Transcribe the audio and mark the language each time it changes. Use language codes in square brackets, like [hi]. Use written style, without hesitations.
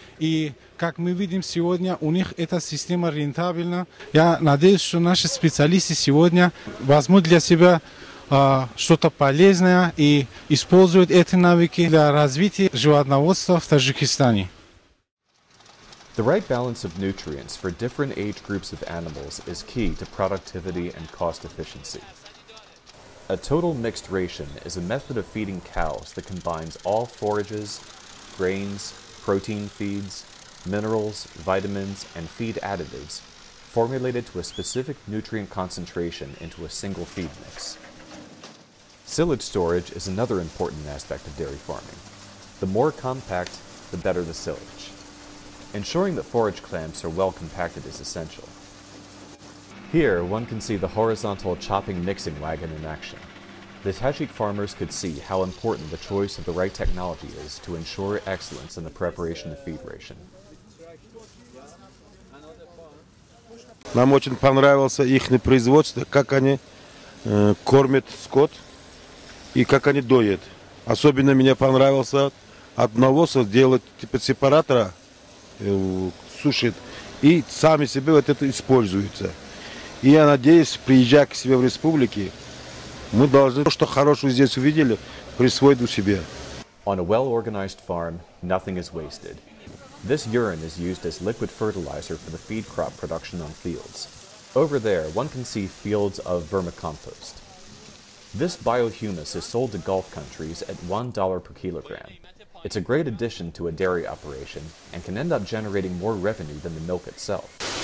[ru] И, как мы видим сегодня, у них эта система рентабельна. Я надеюсь, что наши специалисты сегодня возьмут для себя что-то полезное и используют эти навыки для развития животноводства в Таджикистане. [en] The right balance of nutrients for different age groups of animals is key to productivity and cost efficiency. A total mixed ration is a method of feeding cows that combines all forages, grains, protein feeds, minerals, vitamins, and feed additives formulated to a specific nutrient concentration into a single feed mix. Silage storage is another important aspect of dairy farming. The more compact, the better the silage. Ensuring that forage clamps are well compacted is essential. Here, one can see the horizontal chopping mixing wagon in action. The Tajik farmers could see how important the choice of the right technology is to ensure excellence in the preparation of feed ration. [ru] Нам очень понравился их производство, как они кормят скот и как они доят. Особенно мне понравился от навоза делать типа сепаратора, сушит и сами себе вот это используется. И я надеюсь, приезжая к себе в республике, мы должны то, что хорошего здесь увидели, присвоить у себя. [en] On a well-organized farm, nothing is wasted. This urine is used as liquid fertilizer for the feed crop production on fields. Over there, one can see fields of vermicompost. This biohumus is sold to Gulf countries at $1 per kilogram. It's a great addition to a dairy operation and can end up generating more revenue than the milk itself.